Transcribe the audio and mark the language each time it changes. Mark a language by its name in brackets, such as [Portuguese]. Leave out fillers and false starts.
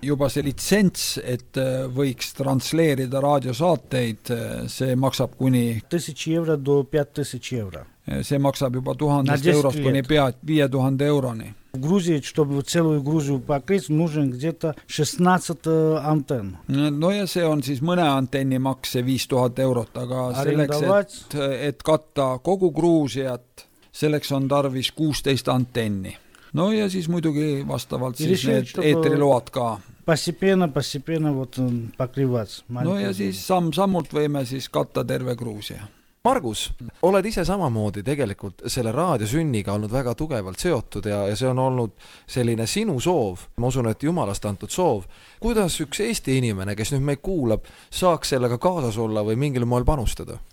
[Estonian] Juba see лиценз, et võiks transleerida raadiosaateid, see maksab kuni... [Russian] 1000 евро до 5000 евро. [Estonian] See maksab juba 1000 eurost kuni 5000 euroni. [Russian] В Грузии, чтобы целую Грузию покрыть, нужен где-то 16 антенн. [Estonian] No ja see on siis мõне антенни makse 5000 eurot, aga selleks, et katta kogu Gruusiat, selleks on tarvis 16 antenni. No ja siis muidugi vastavalt siis [Russian] решили, [Estonian] need eetriload ka. [Russian] Постепенно вот покрывать. [Estonian] No ja siis samult võime siis katta terve Gruusia. Margus, oled ise samamoodi tegelikult selle raadiosünniga olnud väga tugevalt seotud ja see on olnud selline sinu soov, ma usun, et jumalast antud soov. Kuidas üks Eesti inimene, kes nüüd meid kuulab, saaks sellega kaasas olla või mingil moel panustada?